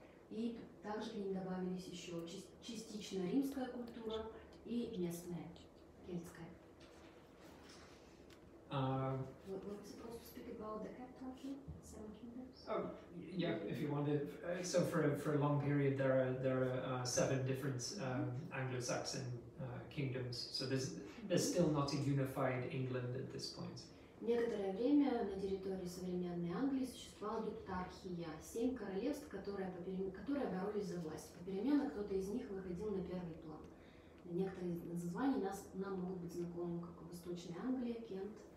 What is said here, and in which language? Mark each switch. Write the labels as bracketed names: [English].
[Russian] И также к ним добавились еще частично римская культура и местная кельтская. [English] What was supposed to speak about the capital of Seven Kingdoms? Oh, yeah, if you wanted. So for a long period there are seven different Anglo-Saxon kingdoms. So there's still not a unified England at this point. [Russian] Некоторое время на территории современной Англии существовала гептархия, семь королевств, которые боролись за власть. Попеременно кто-то из них выходил на первый план. Некоторые названия нам могут быть знакомы, как Восточная Англия, Кент.